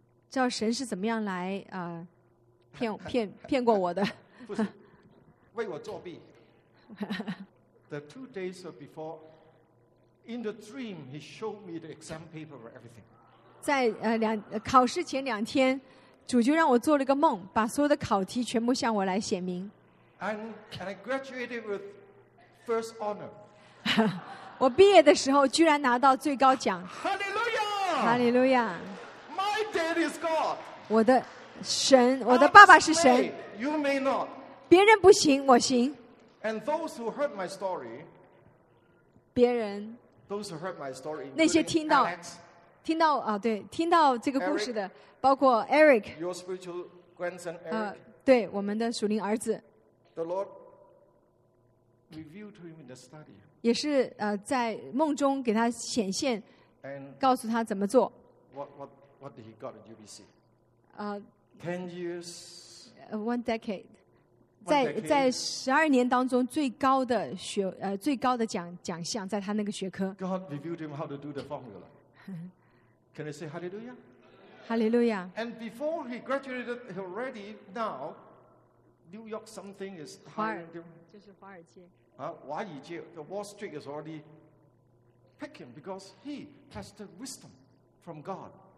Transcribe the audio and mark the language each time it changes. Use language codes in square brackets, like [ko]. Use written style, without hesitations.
[zh] 知道神是怎么样来骗过我的？不是，为我作弊。 [en] The 2 days before, in the dream, he showed me the exam paper for everything. [zh] 在考试前两天，主就让我做了一个梦，把所有的考题全部向我来显明。 [en] And I graduated with first honor. [zh] 我毕业的时候居然拿到最高奖。 [en] Hallelujah! Hallelujah! My dad is God. [zh] 我的神，我的爸爸是神。 [en] You may not. [zh] 别人不行，我行。 [en] And those who heard my story. [zh] 别人。 [en] Those who heard my story. [zh] 那些听到这个故事的， [en] Eric, [zh] 包括 Eric. [en] Your spiritual grandson Eric. [zh] 对我们的属灵儿子。 [en] The Lord revealed to him in the study. [zh] 也是在梦中给他显现，告诉他怎么做。 [en] What did he got at UBC? 10 years. One decade. [zh] 在12年当中最高的奖项在他那个学科。 [en] God revealed him how to do the formula. Can I say hallelujah? Hallelujah. And before he graduated, he already now. New York something is hiring them. [zh] 就是华尔街。 [en] 华尔街 ，the Wall Street is already picking because he has the wisdom from God.